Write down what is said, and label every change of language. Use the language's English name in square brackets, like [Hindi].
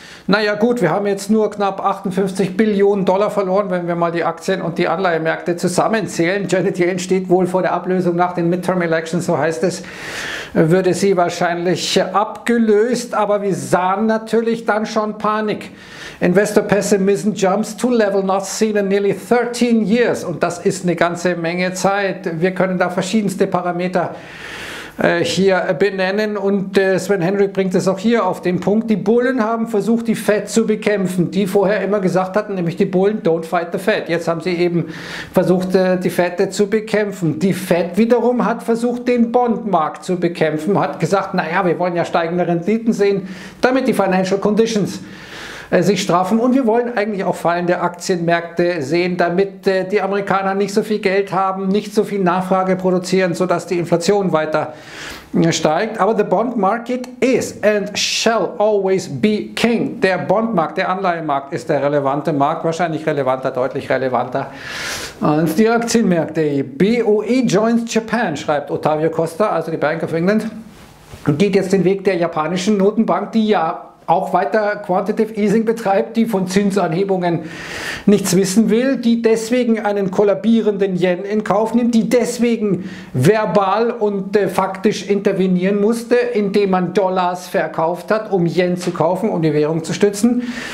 [German] Naja gut, wir haben jetzt nur knapp 58 Billionen Dollar verloren, wenn wir mal die Aktien- und die Anleihemärkte zusammenzählen. Janet Yellen steht wohl vor der Ablösung nach den Midterm Elections, so heißt es, würde sie wahrscheinlich abgelöst. Aber wir sahen natürlich dann schon Panik. [English] Investor Pessimism jumps to level not seen in nearly 13 years. [German] Und das ist eine ganze Menge Zeit. Wir können da verschiedenste Parameter hier benennen, und Sven Henrik bringt es auch hier auf den Punkt. Die Bullen haben versucht, die Fed zu bekämpfen, die vorher immer gesagt hatten, nämlich die Bullen, [English] don't fight the Fed. [German] Jetzt haben sie eben versucht, die Fed zu bekämpfen. Die Fed wiederum hat versucht, den Bondmarkt zu bekämpfen, hat gesagt, naja, wir wollen ja steigende Renditen sehen, damit die Financial Conditions sich straffen, und wir wollen eigentlich auch fallende Aktienmärkte sehen, damit die Amerikaner nicht so viel Geld haben, nicht so viel Nachfrage produzieren, sodass die Inflation weiter steigt. Aber [English] the bond market is and shall always be king. [German] Der Bondmarkt, der Anleihemarkt, ist der relevante Markt, wahrscheinlich relevanter, deutlich relevanter als die Aktienmärkte. [English] BOE joins Japan, [German] schreibt Ottavio Costa, also die Bank of England, geht jetzt den Weg der japanischen Notenbank, die ja auch weiter Quantitative Easing betreibt, die von Zinsanhebungen nichts wissen will, die deswegen einen kollabierenden Yen in Kauf nimmt, die deswegen verbal und faktisch intervenieren musste, indem man Dollars verkauft hat, um Yen zu kaufen, um die Währung zu stützen.